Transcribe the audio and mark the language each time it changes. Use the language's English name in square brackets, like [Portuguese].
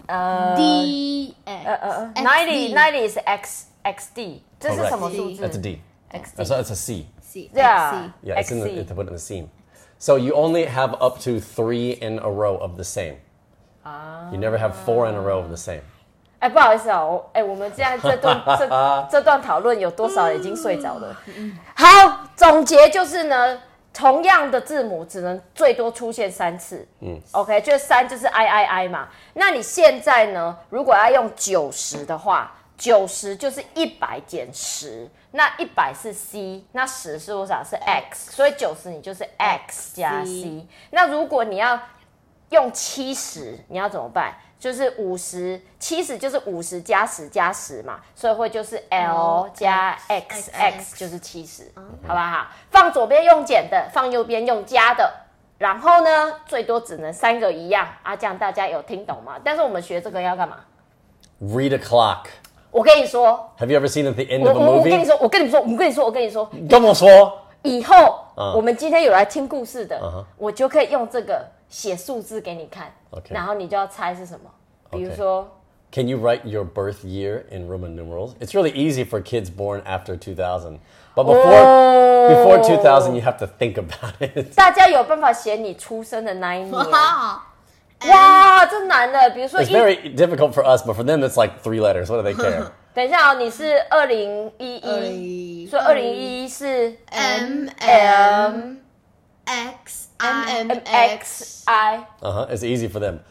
[English] 90 is X, XD. [Chinese] 这是什么数字 [English] ?That's a D. XD. So it's a C. C. Yeah. XC. Yeah, it's in the, it's put in the seam. So you only have up to three in a row of the same. You never have four in a row of the same. [Chinese] 哎，不好意思啊，我哎，我们现在这段这段讨论有多少已经睡着了？好，总结就是呢，同样的字母只能最多出现三次。嗯 ，OK， 就三就是 III 嘛。那你现在呢？如果要用九十的话，九十就是一百减十，那一百是 C， 那十是多少？是 X， 所以九十你就是 X 加 C。那如果你要用七十，你要怎么办？就是五十，七十就是五十加十加十嘛，所以会就是 L 加 X 就是七十，好不好？放左边用减的，放右边用加的，然后呢，最多只能三个一样啊，这样大家有听懂吗？但是我们学这个要干嘛 [English] ？Read a clock。 [Chinese] 我跟你说 [English] ，Have you ever seen at the end of a movie？ [Chinese] 我跟你说，你跟我说，以后我们今天有来听故事的， 我就可以用这个。写数字给你看， [English] okay. [Chinese] 然后你就要猜是什么。比如说、 [English] Can you write your birth year in Roman numerals? It's really easy for kids born after 2000, but before 2000, you have to think about it. [Chinese] 大家有办法写你出生的那一年？哇，这难的。比如说 [English] ，It's very difficult for us, but for them, it's like three letters. What do they care? [Chinese] 等一下哦，你是2011，所以2011是 [English] M M X。 MMXI. It's easy for them.